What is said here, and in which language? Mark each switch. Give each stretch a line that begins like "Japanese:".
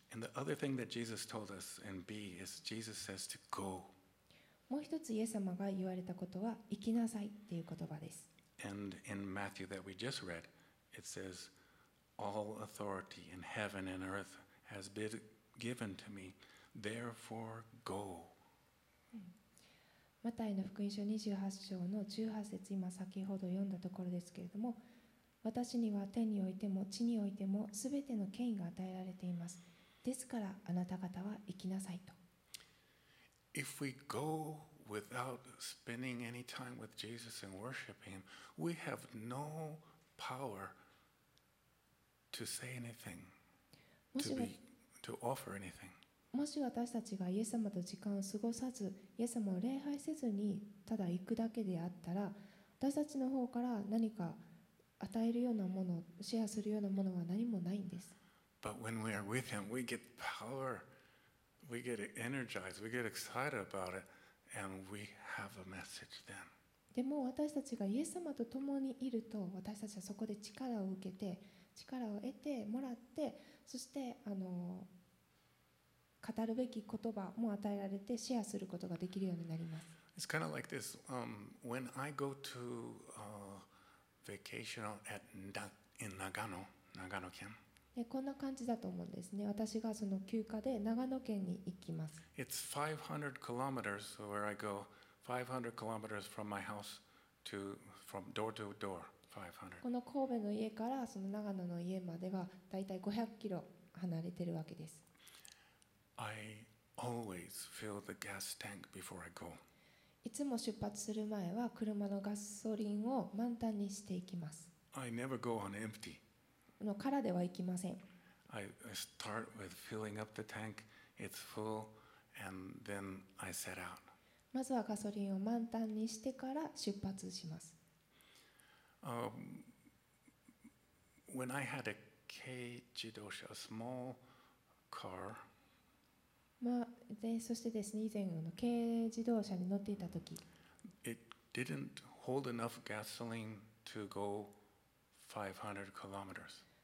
English: And the other thing that Jesus told us in B is Jesus says to go.
Japanese: もう一つイエス様が言われたことは、行きなさいという言葉です。
English: And in Matthew that we just read, it says, All authority in heaven and earth has been given to me, therefore go.
Japanese: マタイの福音書28章の18節、今先ほど読んだところですけれども、私には天においても地においてもすべての権威が与えられています。ですからあなた方は行きなさいと。
English: If we go without spending any time with Jesus and worshiping Him, we have no power to say anything, to offer anything.
Japanese: もし私たちがイエス様と時間を過ごさず、イエス様を礼拝せずにただ行くだけであったら、私たちの方から何か与えるようなもの、シェアするようなものは何もないんです。
English: But when we are with Him, we get power, we get energized, we get excited about it. And we have a message then.
Japanese: でも私たちがイエス様と共にいると、私たちはそこで力を受けて、力を得てもらって、そして語るべき言葉も与えられて、シェアすることができるようになります。
English: It's kind of like this. When I go to vacation in Nagano, Nagano 県。
Japanese: こんな感じだと思うんですね。私がその休暇で長野県に行きます。
English: It's 500 kilometers where I go. 500 kilometers from my house to from door to door. 500.
Japanese: この神戸の家からその長野の家まではだいたい500キロ離れてるわけです。
English: I always fill the gas tank before I go.
Japanese: いつも出発する前は車のガソリンを満タンにしていきます。
English: I never go on empty.
Japanese: の空では行きません。
English: I start with filling up the tank. It's full, and then I set out.
Japanese: まずはガソリンを満タンにしてから出発します。
English: When I had a Kei Jidosha, a small car.
Japanese: まあ、でそしてですね、以前の軽自動車に乗っていた時。
English: It didn't hold enough gasoline to go 500 kilometers.